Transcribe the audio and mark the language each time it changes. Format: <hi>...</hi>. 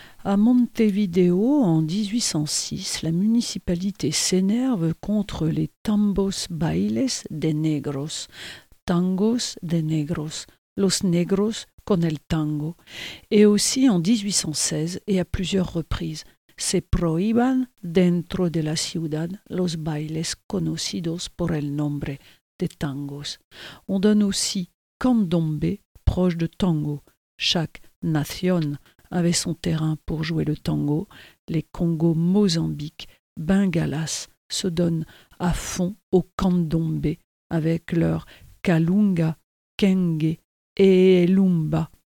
<fr>À Montevideo, en 1806, la municipalité s'énerve contre les</fr> <es>tambos bailes de negros. Tangos de negros. Los negros con el tango.</es> <fr>Et aussi en 1816 et à plusieurs reprises.</fr> <es>Se prohíban dentro de la ciudad los bailes conocidos por el nombre de tangos.</es> <fr>On donne aussi candombe, proche de tango. Chaque nation avait son terrain pour jouer le tango. Les Congo, Mozambique, Bengalas se donnent à fond au candombe avec leur kalunga, kenge et lumba.</fr>